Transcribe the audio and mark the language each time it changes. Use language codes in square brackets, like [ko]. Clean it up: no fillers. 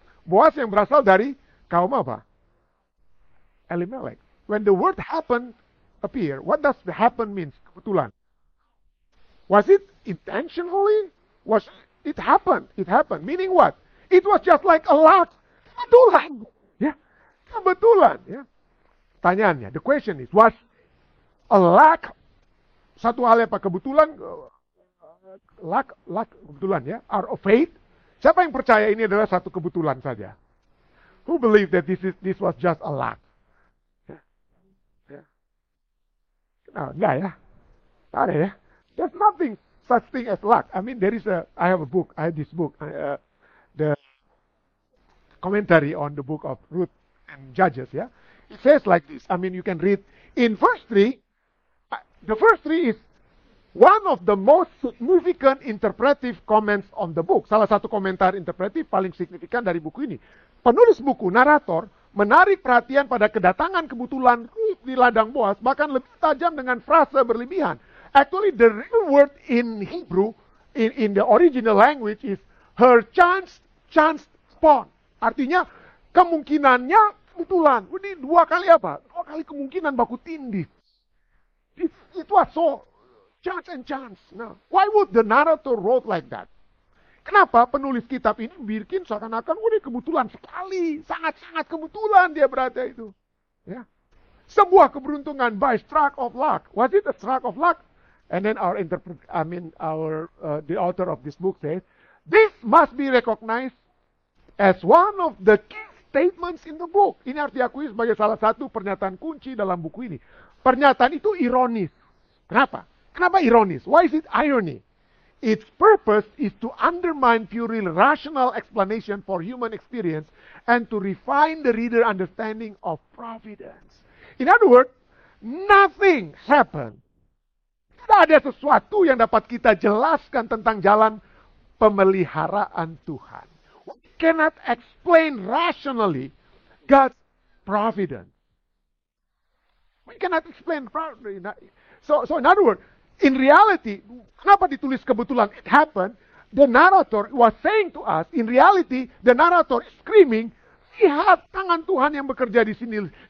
[id] Boaz yang berasal dari kaum apa? Elimelech. [en] When the word happen appear, what does the happen means? Kebetulan. Was it intentionally? Was it happened? It happened. Meaning what? It was just like a luck. Kebetulan. Yeah. Kebetulan. Yeah. Tanyaannya. The question is, was a luck? [id] Satu hal apa? Kebetulan? Luck. Kebetulan ya. Yeah. [en] Or a fate? [id] Siapa yang percaya ini adalah satu kebetulan saja? [en] Who believe that this was just a luck? [id] Nah, enggak ya. Enggak ada ya. [en] There's nothing such thing as luck. I mean, I have this book. The commentary on the book of Ruth and Judges, ya. Yeah? It says like this. I mean, you can read. In verse 3, the first 3 is one of the most significant interpretive comments on the book. [id] Salah satu komentar interpretif paling signifikan dari buku ini. Penulis buku, narator, menarik perhatian pada kedatangan kebetulan Ruth di ladang Boaz, bahkan lebih tajam dengan frasa berlebihan. [en] Actually, the real word in Hebrew, in the original language, is her chance spawn. [id] Artinya, kemungkinannya kebetulan. Ini dua kali apa? Dua kali kemungkinan baku tindih. [en] It was so chance and chance. Now, why would the narrator wrote like that? [id] Kenapa penulis kitab ini bikin seakan-akan, oh, ini kebetulan sekali, sangat-sangat kebetulan dia berada itu. Ya. sebuah keberuntungan [en] by stroke of luck. Was it a stroke of luck? And then our interpret, I mean our the author of this book says, this must be recognized as one of the key statements in the book. [id] Ini harus diakui sebagai salah satu pernyataan kunci dalam buku ini. Pernyataan itu ironis. Kenapa? Kenapa ironis? [en] Why is it irony? Its purpose is to undermine purely rational explanation for human experience and to refine the reader's understanding of providence. In other words, nothing happened. [id] Tidak ada sesuatu yang dapat kita jelaskan tentang jalan pemeliharaan Tuhan. [en] We cannot explain rationally God's providence. We cannot explain rationally. So in other words, in reality, [id] kenapa ditulis kebetulan? [en] It happened. The narrator was saying to us, in reality, the narrator is screaming, [id] lihat tangan Tuhan yang bekerja di sini.